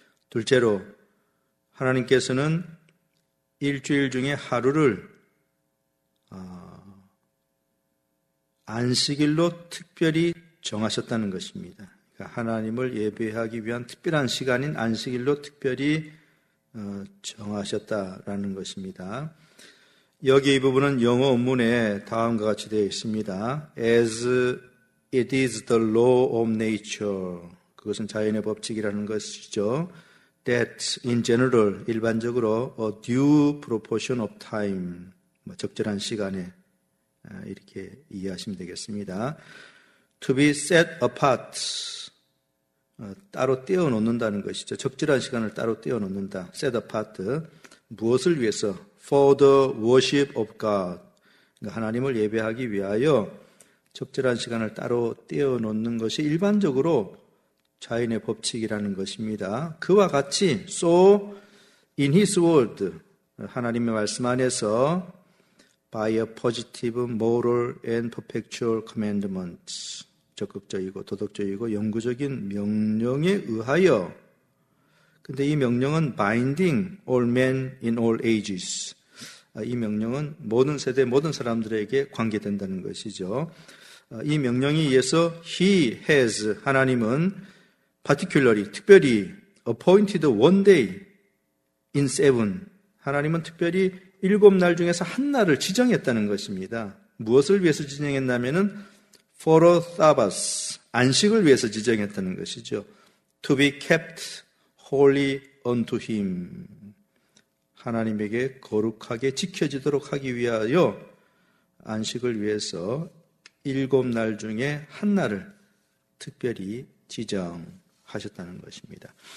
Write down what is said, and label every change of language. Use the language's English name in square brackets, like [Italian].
[Korean] 둘째로 하나님께서는 일주일 중에 하루를 안식일로 특별히 정하셨다는 것입니다. 그러니까 하나님을 예배하기 위한 특별한 시간인 안식일로 특별히 정하셨다라는 것입니다. 여기 이 부분은 영어 원문에 다음과 같이 되어 있습니다. [English] As it is the law of nature. [Korean] 그것은 자연의 법칙이라는 것이죠. [English] That in general, [Korean] 일반적으로 [English] a due proportion of time, [Korean] 적절한 시간에 이렇게 이해하시면 되겠습니다. [English] To be set apart, [Korean] 따로 떼어놓는다는 것이죠. 적절한 시간을 따로 떼어놓는다. [English] Set apart, [Korean] 무엇을 위해서? [English] For the worship of God, [Korean] 하나님을 예배하기 위하여 적절한 시간을 따로 떼어놓는 것이 일반적으로 자연의 법칙이라는 것입니다. 그와 같이 [English] So in His Word, [Korean] 하나님의 말씀 안에서 [English] By a positive moral and perpetual commandment, [Korean] 적극적이고 도덕적이고 영구적인 명령에 의하여 근데 이 명령은 [English] binding all men in all ages. [Korean] 이 명령은 모든 세대 모든 사람들에게 관계된다는 것이죠. 이 명령에 의해서 [English] He has, [Korean] 하나님은 [English] particularly, [Korean] 특별히 [English] appointed one day in seven. [Korean] 하나님은 특별히 일곱 날 중에서 한 날을 지정했다는 것입니다. 무엇을 위해서 지정했냐면은 [English] for a Sabbath, [Korean] 안식을 위해서 지정했다는 것이죠. [English] To be kept holy unto him. [Korean] 하나님에게 거룩하게 지켜지도록 하기 위하여 안식을 위해서 일곱 날 중에 한 날을 특별히 지정하셨다는 것입니다.